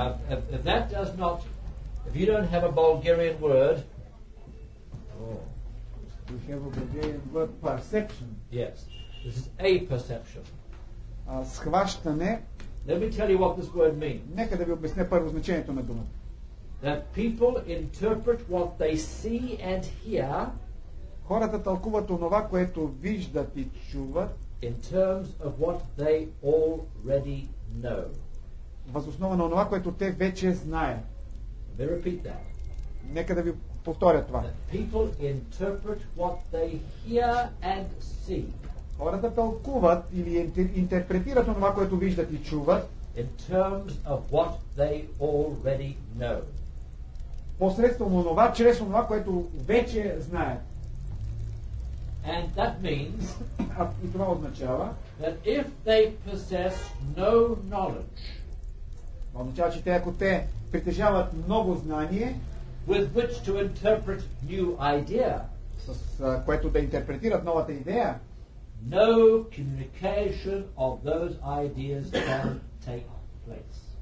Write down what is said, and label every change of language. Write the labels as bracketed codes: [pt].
[en] If that does not, if you don't have a Bulgarian word, we have a Bulgarian word perception. Yes, this is a perception. [bg] Схващане. [en] Let me tell you what this word means. [bg] Нека да ви обясня първо значението на думата. [en] That people interpret what they see and hear. [bg] Хората тълкуват онова, което виждат и чуват. [en] In terms of what they already know. [bg] Въз основа на онова, което те вече знаят. [en] Let me repeat that. [bg] Нека да ви повторя това. [en] That people interpret what they hear and see. [bg] Хората тълкуват или интерпретират онова, което виждат и чуват. [en] In terms of what they already know. [bg] Посредством онова, чрез онова, което вече знаят. [en] And that means [bg] и това означава, [en] that if they possess no knowledge, [bg] означава, че те, ако те притежават много знание, [en] with which to interpret new idea, [bg] с което да интерпретират новата идея, [en] no communication of those ideas can take place.